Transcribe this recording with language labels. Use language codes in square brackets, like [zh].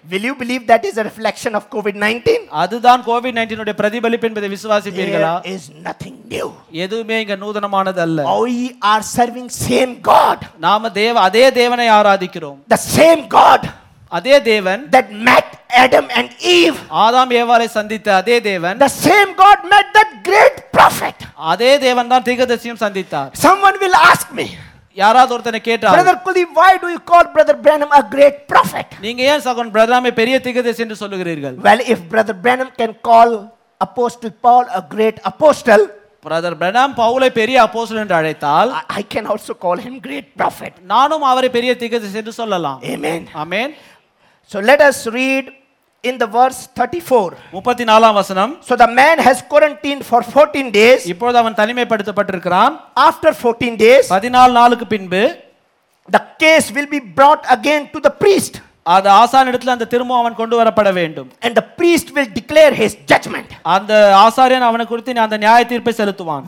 [en] Will you believe that is a reflection of COVID-19? [ta] அதுதான் COVID-19 உடைய பிரதிபலிப்பு என்பதை விசுவாசிப்பீர்களா? [en] There is nothing new. [ta] எதுவுமே இங்க நூதனமானது அல்ல. [en] We are serving same God. [ta] நாம அதே தேவனை ஆராதிக்கிறோம். [en] The same God. [ta] அதே தேவன் [en] that met Adam and Eve. [ta] ஆதாம் ஏவாளை சந்தித்த அதே தேவன். [en] The same God met that great prophet. [ta] அதே தேவன் தான் தீர்க்கதரிசியும் சந்தித்தார். [en] Someone will ask me. [ta] யாராவது ஒருத்தனை கேட்டார். [en] Brother Kuldeep, why do you call Brother Branham a great prophet? [ta] நீங்க ஏன் சகோன் பிரதாமே பெரிய தீர்க்கதரிசி என்று சொல்கிறீர்கள்? [en] Well, if Brother Branham can call Apostle Paul a great apostle. [ta] Brother Branham பவுலை பெரிய அப்போஸ்தலன் என்று அழைத்தால் [en] I can also call him great prophet. [ta] நானும் அவரை பெரிய தீர்க்கதரிசி என்று சொல்லலாம். [en] Amen. Amen. So let us read in the verse 34. [ta] 34th vasanam. [en] So the man has quarantined for 14 days. [ta] இப்போது அவன் தனிமைப்படுத்தப்பட்டிருக்கிறான். [en] After 14 days. [ta] 14 நாளுக்கு பின்பு [en] the case will be brought again to the priest. [ta] அந்த ஆசாரியனிடத்தில் அந்த திரும்பவும் அவன் கொண்டு வரப்பட வேண்டும். [en] And the priest will declare his judgment. [ta] அந்த ஆசாரியன் அவனை குறித்து அந்த நியாய தீர்ப்பை செலுத்துவான்.